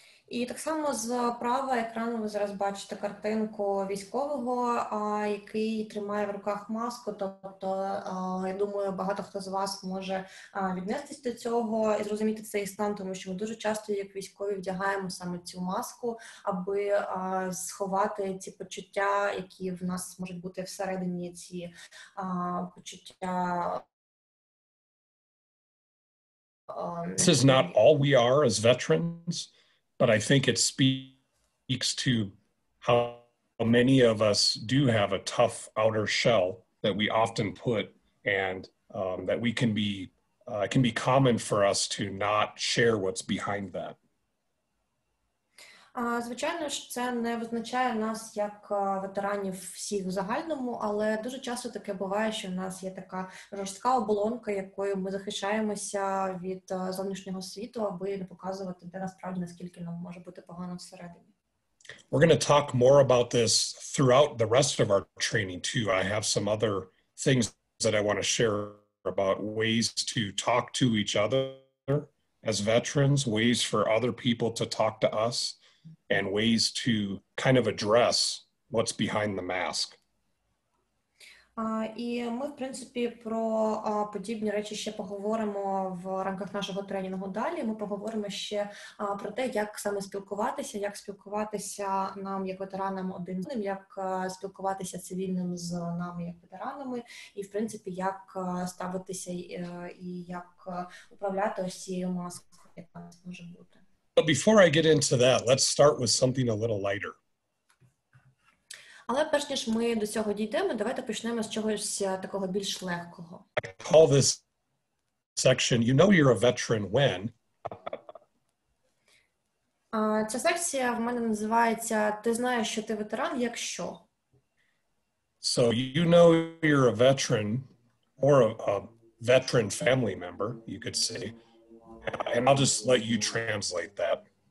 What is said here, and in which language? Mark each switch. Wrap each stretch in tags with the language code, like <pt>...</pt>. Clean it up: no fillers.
<uk>І так само з правого екрану ви зараз бачите картинку військового, який тримає в руках маску, тобто, я думаю, багато хто з вас може віднестись до цього і зрозуміти цей стан, тому що ми дуже часто як військові вдягаємо саме цю маску, аби сховати ці почуття, які в нас можуть бути всередині, ці почуття.</uk> <en>This is not all we are as veterans, but I think it speaks to how many of us do have a tough outer shell that we often put, and that we can be, can be common for us to not share what's behind that.</en> <uk>Звичайно ж, це не визначає нас як ветеранів всіх в загальному, але дуже часто таке буває, що в нас є така жорстка оболонка, якою ми захищаємося від зовнішнього світу, аби не показувати, де насправді, наскільки нам може бути погано всередині.</uk> <en>We're going to talk more about this throughout the rest of our training too. I have some other things that I want to share about ways to talk to each other as veterans, ways for other people to talk to us, and ways to kind of address what's behind the mask.</en> <uk>І ми, в принципі, про подібні речі ще поговоримо в рамках нашого тренінгу далі. Ми поговоримо ще про те, як саме спілкуватися, як спілкуватися нам як ветеранам один з одним, як спілкуватися цивільним з нами як ветеранами, і, в принципі, як ставитися і як управляти ось цією маскою, яка нас може бути.</uk> <en>But before I get into that, let's start with something a little lighter.</en> <uk>Але перш ніж ми до цього дійдемо, давайте почнемо з чогось такого більш легкого.</uk> <en>I call this section, you know you're a veteran when.</en> <uk>Ця секція в мене називається «Ти знаєш, що ти ветеран, якщо».</uk> <en>So you know you're a veteran or a veteran family member, you could say. And I'll just let you translate that.</en>